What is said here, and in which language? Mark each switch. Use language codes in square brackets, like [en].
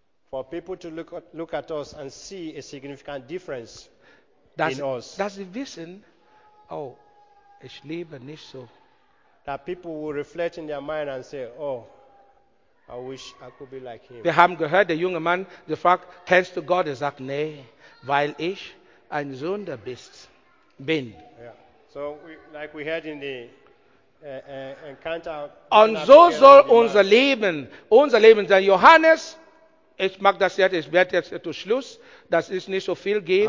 [en] For people to look at us and see a significant difference in us. [de] Dass sie wissen, oh, ich lebe nicht so. [en] That people will reflect in their mind and say, oh, I wish I could be like him. [de] Wir haben gehört, der junge Mann, der fragt, kennst du Gott? Er sagt, nee, weil ich ein Sünder bin. [en] Yeah. So, like we heard in the encounter. [de] Und so soll unser Leben, sein. Johannes, ich mag das jetzt, ich werde jetzt zu Schluss, das ist nicht so viel geben.